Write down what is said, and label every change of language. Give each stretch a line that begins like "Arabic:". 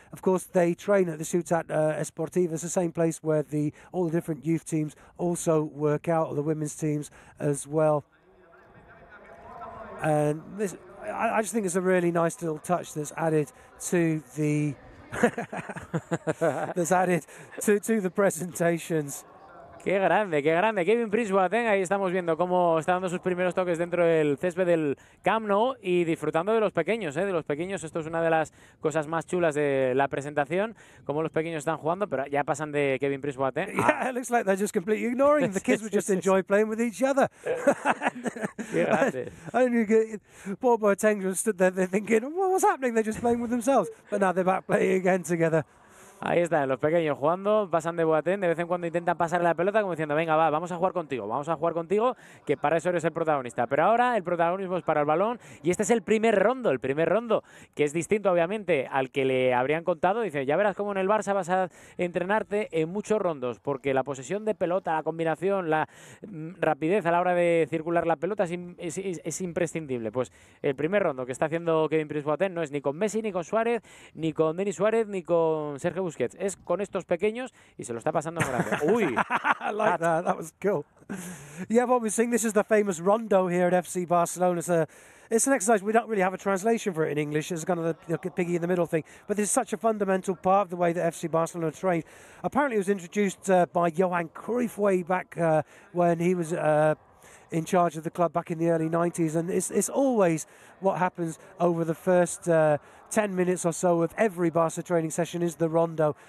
English: Of course, they train at the Ciutat Esportiva. It's the same place where all the different youth teams also work out, or the women's teams as well. And this, I just think it's a really nice little touch that's added to the to the presentations.
Spanish: Qué grande, qué grande. Kevin Prince Boateng, ahí estamos viendo cómo está dando sus primeros toques dentro del césped del Camp Nou y disfrutando de los pequeños, ¿eh? De los pequeños. Esto es una de las cosas más chulas de la presentación, cómo los pequeños están jugando, pero ya pasan de Kevin Prince Boateng.
English: Yeah, it looks like they're just completely ignoring him. The kids would just enjoy playing with each other.
Spanish: Qué grande.
English: Poor Boateng just stood there thinking, well, what's happening? They're just playing with themselves. But now they're back playing again together.
Spanish: Ahí están, los pequeños jugando, pasan de Boateng, de vez en cuando intentan pasar la pelota como diciendo, venga, va, vamos a jugar contigo, que para eso eres el protagonista. Pero ahora el protagonismo es para el balón y este es el primer rondo, que es distinto, obviamente, al que le habrían contado. Dice, ya verás cómo en el Barça vas a entrenarte en muchos rondos, porque la posesión de pelota, la combinación, la rapidez a la hora de circular la pelota es imprescindible. Pues el primer rondo que está haciendo Kevin Prince Boateng no es ni con Messi, ni con Suárez, ni con Denis Suárez, ni con Sergio Busquets, es con estos pequeños y se lo está pasando grande. Uy.
English: Like that was cool. Yeah, what we're seeing, this is the famous rondo here at FC Barcelona. It's an exercise. We don't really have a translation for it in English. It's kind of the piggy in the middle thing. But this is such a fundamental part of the way that FC Barcelona trained. Apparently it was introduced by Johan Cruyff way back when he was in charge of the club back in the early 90s, and it's always what happens over the first 10 minutes or so of every Barca training session is the rondo.